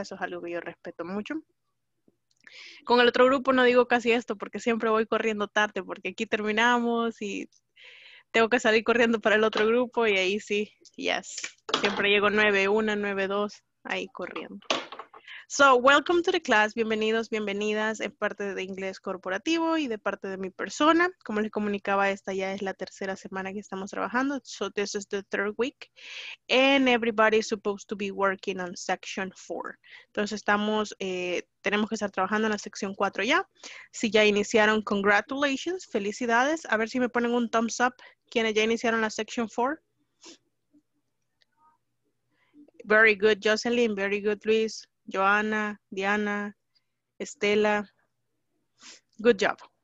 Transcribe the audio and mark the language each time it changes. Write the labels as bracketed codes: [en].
[es] Eso es algo que yo respeto mucho. Con el otro grupo no digo casi esto porque siempre voy corriendo tarde porque aquí terminamos y tengo que salir corriendo para el otro grupo y ahí sí, [en] yes. [es] Siempre llego 9:01, 9:02, ahí corriendo. [en] So, welcome to the class. [es] Bienvenidos, bienvenidas. Es parte de inglés corporativo y de parte de mi persona. Como les comunicaba, esta ya es la tercera semana que estamos trabajando. [en] So, this is the third week. And everybody is supposed to be working on section 4. [es] Entonces, estamos, tenemos que estar trabajando en la sección 4 ya. Si ya iniciaron, [en] congratulations, [es] felicidades. A ver si me ponen un thumbs up. ¿Quiénes ya iniciaron la section 4? [en] Very good, Jocelyn. Very good, Luis. Joana, Diana, Estela. Good job.